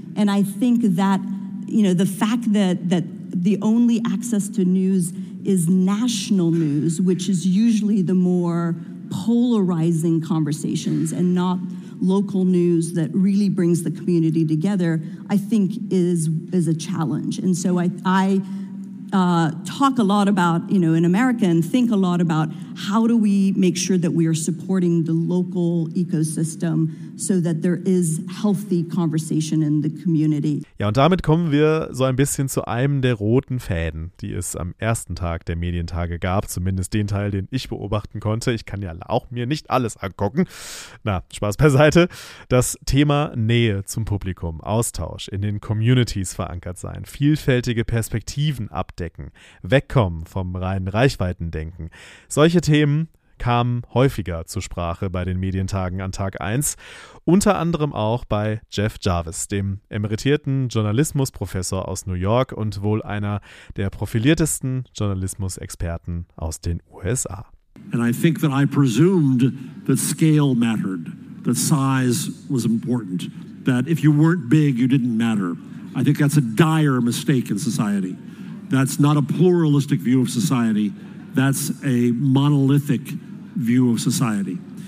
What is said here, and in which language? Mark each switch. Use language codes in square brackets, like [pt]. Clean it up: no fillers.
[en] And I think that, you know, the fact that the only access to news is national news, which is usually the more polarizing conversations and not local news that really brings the community together, I think is a challenge. And so I talk a lot about, you know, in America, and think a lot about how do we make sure that we are supporting the local ecosystem so that there is healthy conversation in the community. [de] Ja, und damit kommen wir so ein bisschen zu einem der roten Fäden, die es am ersten Tag der Medientage gab, zumindest den Teil, den ich beobachten konnte. Ich kann ja auch mir nicht alles angucken. Na, Spaß beiseite. Das Thema Nähe zum Publikum, Austausch, in den Communities verankert sein, vielfältige Perspektiven abdecken, wegkommen vom reinen Reichweitendenken. Solche Themen kamen häufiger zur Sprache bei den Medientagen an Tag 1, unter anderem auch bei Jeff Jarvis, dem emeritierten Journalismusprofessor aus New York und wohl einer der profiliertesten Journalismusexperten aus den USA. [en] And I think that I presumed that scale mattered, that size was important, that if you weren't big, you didn't matter. I think that's a dire mistake in society. That's not a pluralistic view of society. That's a monolithic view of society.